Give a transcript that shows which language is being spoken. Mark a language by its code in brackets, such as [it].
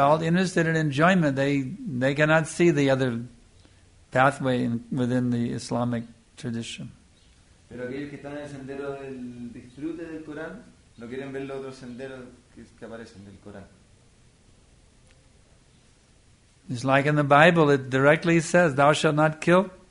[en] all interested in enjoyment, they cannot see the other pathway within the Islamic tradition. [es] Pero aquellos que están en el sendero del disfrute del Corán no quieren ver los otros senderos que aparecen del Corán. [en] It's like in the Bible, it directly says, "Thou shalt not kill."